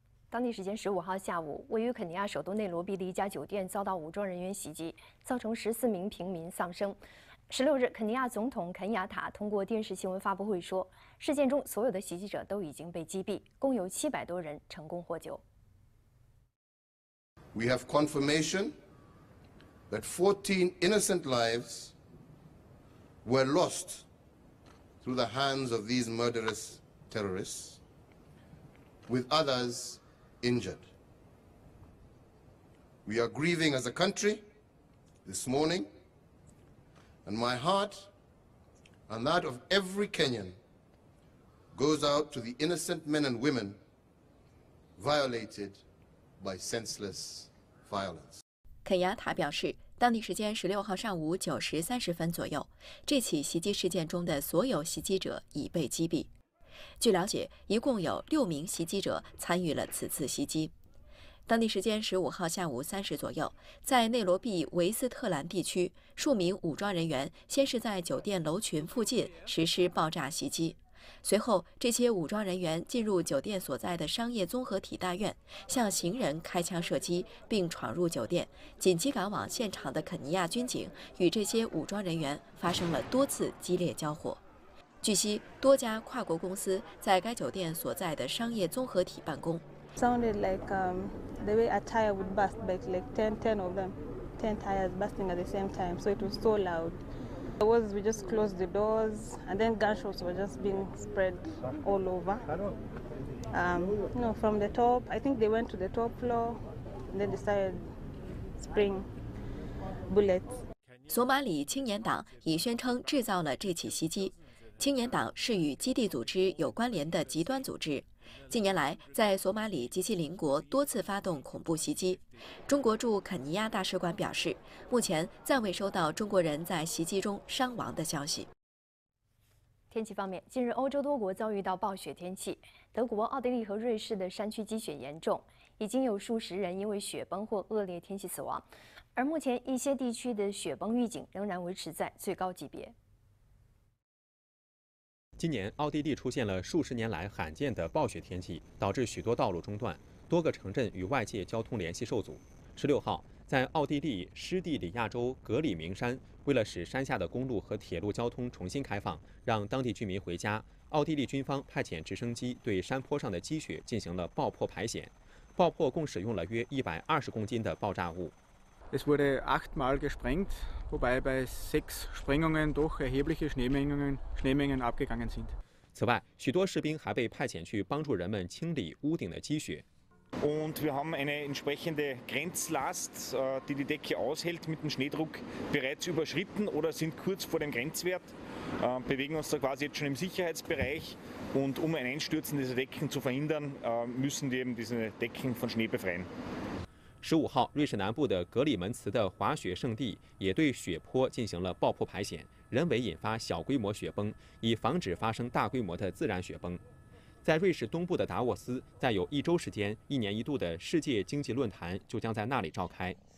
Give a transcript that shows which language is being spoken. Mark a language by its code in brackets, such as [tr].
[zh] 当地时间15号下午，位于肯尼亚首都内罗毕的一家酒店遭到武装人员袭击，造成14名平民丧生。 16日，肯尼亚总统肯雅塔通过电视新闻发布会说，事件中所有的袭击者都已经被击毙，共有700多人成功获救。 [en] We have confirmation that 14 innocent lives were lost through the hands of these murderous terrorists, with others injured. We are grieving as a country this morning, and my heart and that of every Kenyan goes out to the innocent men and women violated by senseless violence. [zh] 肯雅塔表示，当地时间16号上午9时30分左右，这起袭击事件中的所有袭击者已被击毙。据了解，一共有6名袭击者参与了此次袭击。当地时间15号下午3时左右，在内罗毕维斯特兰地区，数名武装人员先是在酒店楼群附近实施爆炸袭击，随后这些武装人员进入酒店所在的商业综合体大院，向行人开枪射击，并闯入酒店，紧急赶往现场的肯尼亚军警与这些武装人员发生了多次激烈交火。据悉，多家跨国公司在该酒店所在的商业综合体办公。 [en] Sounded like the way a tire would burst, but like ten of them, ten tires bursting at the same time. So it was so loud. We just closed the doors, and then gunshots were just being spread all over. From the top, I think they went to the top floor, and then decided spraying bullets. [zh] 索马里青年党已宣称制造了这起袭击。青年党是与基地组织有关联的极端组织，近年来在索马里及其邻国多次发动恐怖袭击。中国驻肯尼亚大使馆表示，目前暂未收到中国人在袭击中伤亡的消息。天气方面，近日欧洲多国遭遇到暴雪天气，德国、奥地利和瑞士的山区积雪严重，已经有数十人因为雪崩或恶劣天气死亡。而目前一些地区的雪崩预警仍然维持在最高级别。今年奥地利出现了数十年来罕见的暴雪天气，导致许多道路中断，多个城镇与外界交通联系受阻。 16号，在奥地利施地里亚州格里明山，为了使山下的公路和铁路交通重新开放，让当地居民回家，奥地利军方派遣直升机对山坡上的积雪进行了爆破排险。爆破共使用了约120公斤的爆炸物。 [de] Es wurde 8-mal gesprengt, wobei bei 6 Sprengungen doch erhebliche Schneemengen abgegangen sind. [zh] 此外，许多士兵还被派遣去帮助人们清理屋顶的积雪。 [de] Und wir haben eine entsprechende Grenzlast, die die Decke aushält mit dem Schneedruck, bereits überschritten oder sind kurz vor dem Grenzwert, bewegen uns da quasi jetzt schon im Sicherheitsbereich. Und um ein Einstürzen dieser Decken zu verhindern, müssen wir eben diese Decken von Schnee befreien. [zh] 15号，瑞士南部的格里门茨的滑雪圣地也对雪坡进行了爆破排险，人为引发小规模雪崩，以防止发生大规模的自然雪崩。在瑞士东部的达沃斯，再有一周时间，一年一度的世界经济论坛就将在那里召开。